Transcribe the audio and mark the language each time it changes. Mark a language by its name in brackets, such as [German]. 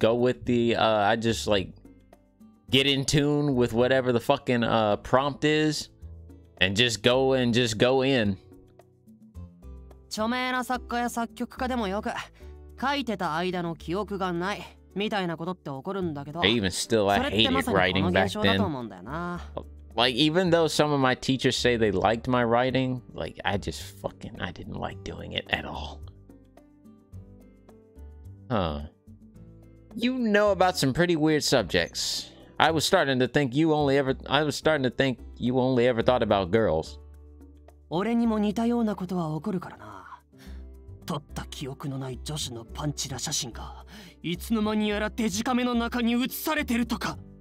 [English] Get in tune with whatever the fucking, prompt is. And just go and just go in. [Japanese] 著名な作家や作曲家でもよく書いてた間の記憶がないみたいなことって起こるんだけど。 [English] Even still, I hated writing back then. Like, even though some of my teachers say they liked my writing, like, I didn't like doing it at all. Huh. You know about some pretty weird subjects. I was starting to think you only ever thought about girls. [Japanese] 俺にも似たようなことは起こるからな。撮った記憶のない女子のパンチラ写真がいつの間にやらデジカメの中に映されてるとか。